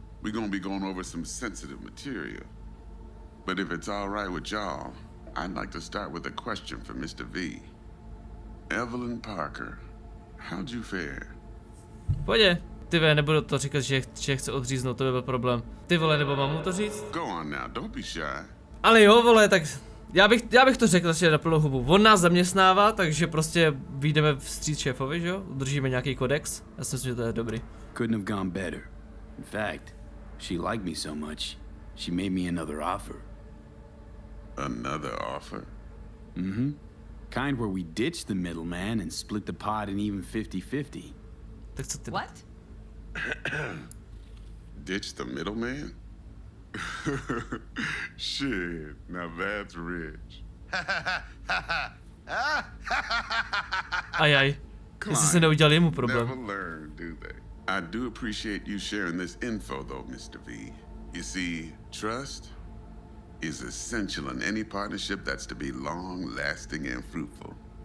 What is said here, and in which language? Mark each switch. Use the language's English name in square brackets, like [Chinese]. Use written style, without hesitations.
[English] We're gonna be going over some sensitive material. But if it's all right with y'all, I'd like to start with a question for Mr. V. Evelyn Parker, how'd you fare? [Czech] Pojde, ty vole, nebudu to říkat, že chce odříznout, to by byl problém. Ty vole, nebo mám mu to říct? [English] Go on now, don't be shy. [Czech] Ale jo, vole, tak já bych to řekl na plnou hubu. On nás zaměstnává, takže prostě vyjdeme vstříc šéfovi, že jo? Udržíme nějaký kodex. Já si myslím, že to je dobrý. [English] Couldn't have gone better. In fact, she liked me so much. She made me another offer. Another offer? Mm-hmm. Kind where we ditch the middleman and split the pot an even 50-50. That's what? What? Ditch the middleman? Shit, now that's rich. Ay ay. [Czech] Klein, se neudělal jemu problém. [English] Never learn, do they? I do appreciate you sharing this info though, Mr. V. You see, trust is essential in any partnership that's to be long-lasting and fruitful.